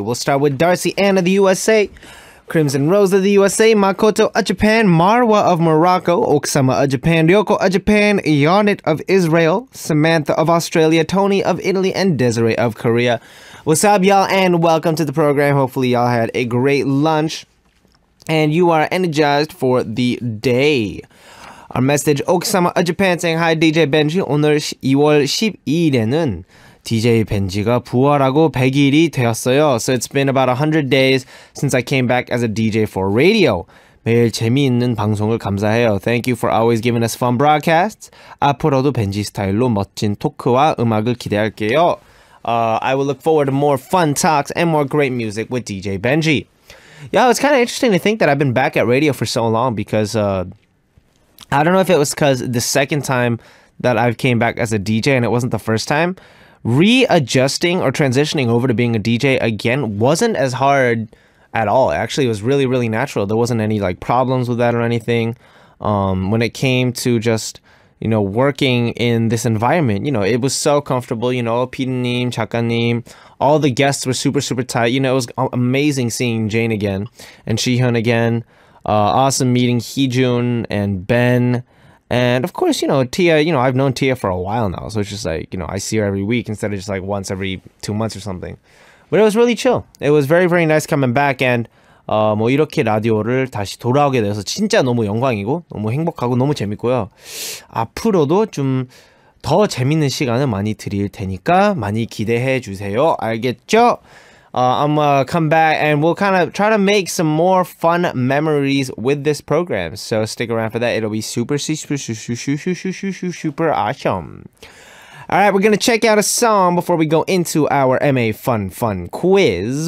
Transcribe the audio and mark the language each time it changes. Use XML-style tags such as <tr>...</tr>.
<en>We'll start with Darcy Ann of the USA, Crimson Rose of the USA, Makoto of Japan, Marwa of Morocco, Oksama of Japan, Ryoko of Japan, Yonit of Israel, Samantha of Australia, Tony of Italy, and Desiree of Korea. What's up, y'all, and welcome to the program. Hopefully y'all had a great lunch and you are energized for the day. Our message, Oksama of Japan saying, Hi, DJ Benji.</en> <ko>오늘 2월 12일에는 DJ Benji가 부활하고 100일이 되었어요.</ko> <en>So it's been about 100 days since I came back as a DJ for radio.</en> <ko>매일 재미있는 방송을 감사해요.</ko> <en>Thank you for always giving us fun broadcasts.</en> <ko>앞으로도 Benji 스타일로 멋진 토크와 음악을 기대할게요.</ko> <en>I will look forward to more fun talks and more great music with DJ Benji. Yeah, it's kind of interesting to think that I've been back at radio for so long because I don't know if it was because the second time that I came back as a DJ and it wasn't the first time, readjusting or transitioning over to being a DJ again wasn't as hard at all. Actually, it was really, really natural. There wasn't any like problems with that or anything. When it came to just, you know, working in this environment, you know, it was so comfortable, you know, PD님, 작가님, all the guests were super, super tight. You know, it was amazing seeing Jane again and Shihyun again. Awesome meeting Heejun and Ben. And of course, you know, Tia, you know, I've known Tia for a while now. So it's just like, you know, I see her every week instead of just like once every 2 months or something. But it was really chill. It was very, very nice coming back.</en> <ko>And 뭐 이렇게 라디오를 다시 돌아오게 돼서 진짜 너무 영광이고 너무 행복하고 너무 재밌고요. 앞으로도 좀 더 재밌는 시간을 많이 드릴 테니까 많이 기대해 주세요. 알겠죠?</ko> <en>I'm gonna come back and we'll kind of try to make some more fun memories with this program. So stick around for that. It'll be super, super, super, super, super, super awesome. All right, we're gonna check out a song before we go into our MA fun quiz.</en>